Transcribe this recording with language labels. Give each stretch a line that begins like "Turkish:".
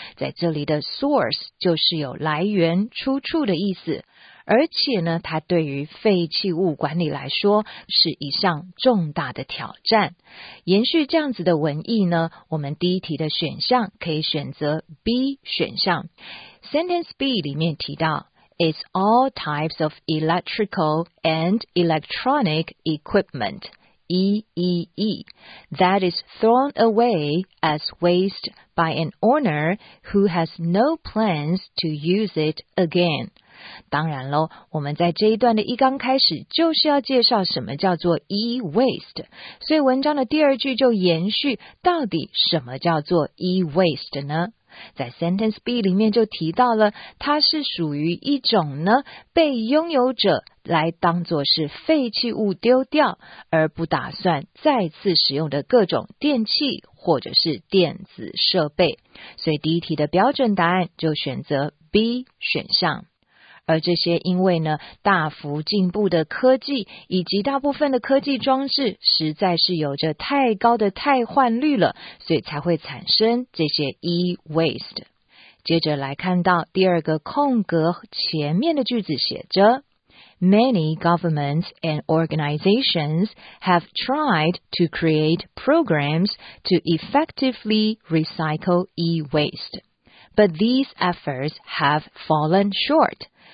Chinese: 在这里的 source 就是有来源、出处的意思，而且呢，它对于废弃物管理来说是一项重大的挑战。延续这样子的文意呢，我们第一题的选项可以选择 B 选项。
English: Sentence B
Chinese: 里面提到
English: It's all types of electrical and electronic equipment, EEE, that is thrown away as waste by an owner who has no plans to use it again.
Chinese: 当然咯，我们在这一段的一刚开始就是要介绍什么叫做 e-waste, 所以文章的第二句就延续到底什么叫做 e-waste 呢？在 Sentence B 里面就提到了，它是属于一种呢，被拥有者来当作是废弃物丢掉，而不打算再次使用的各种电器或者是电子设备。所以第一题的标准答案就选择 B 选项。而这些因为呢，大幅进步的科技以及大部分的科技装置实在是有着太高的汰换率了，所以才会产生这些 e-waste。接着来看到第二个空格前面的句子写着
English: Many governments and organizations have tried to create programs to effectively recycle e-waste, but these efforts have fallen short.